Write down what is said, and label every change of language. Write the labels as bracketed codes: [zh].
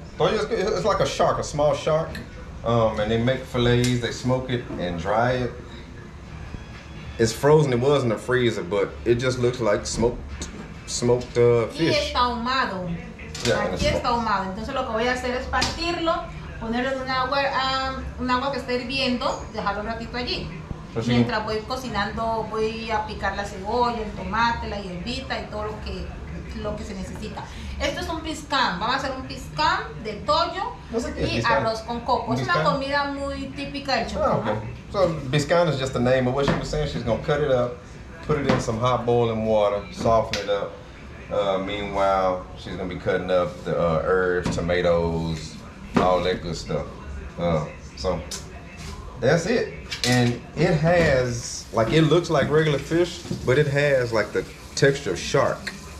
[en] Tollo, it's like a shark, a small shark. And they make fillets, they smoke it and dry it. It's frozen, it was in the freezer, but it just looks like smoked fish. [es] Y está ahumado. Aquí está ahumado, entonces lo que voy a hacer es partirlo, ponerlo en un agua que esté hirviendo, dejarlo un ratito allí. Mientras voy cocinando, voy a picar la cebolla, el tomate, la hierbita y todo lo que se necesita. Esto es un piscam, vamos a hacer un piscam de tollo y arroz con coco. Es una comida muy típica del Chocó. [en] Oh, okay. So, piscam is just the name of what she was saying. She's going to cut it up, put it in some hot boiling water, soften it up. Meanwhile, she's gonna be cutting up the herbs, tomatoes, all that good stuff. So that's it. And it has, like, it looks like regular fish, but it has like the texture of shark.